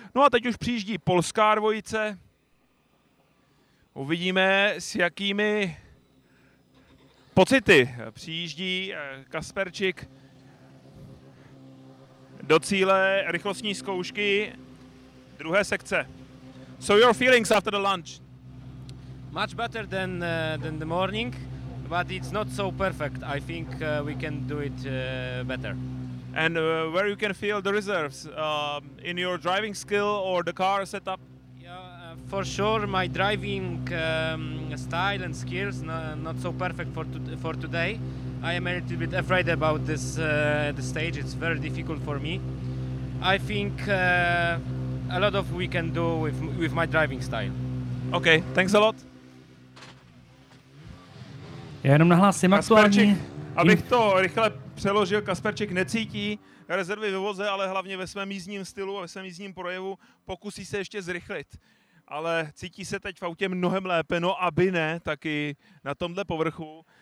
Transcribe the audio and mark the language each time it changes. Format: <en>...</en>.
<cs>No a teď už přijíždí polská dvojice. Uvidíme, s jakými pocity přijíždí Kasperčík do cíle rychlostní zkoušky druhé sekce.</cs> <en>So your feelings after the lunch? Much better than the morning, but it's not so perfect. I think we can do it better. And where you can feel the reserves in your driving skill or the car setup? For sure, my driving style and skills not so perfect for today. I am a little bit afraid about this the stage. It's very difficult for me. I think a lot of we can do with my driving style. Okay, thanks a lot.</en> <cs>Já jenom nahlásím aktuální. Abych to rychle přeložil, Kasperček necítí rezervy ve voze, ale hlavně ve svém jízdním stylu a ve svém jízdním projevu pokusí se ještě zrychlit. Ale cítí se teď v autě mnohem lépe, no aby ne, taky na tomhle povrchu.</cs>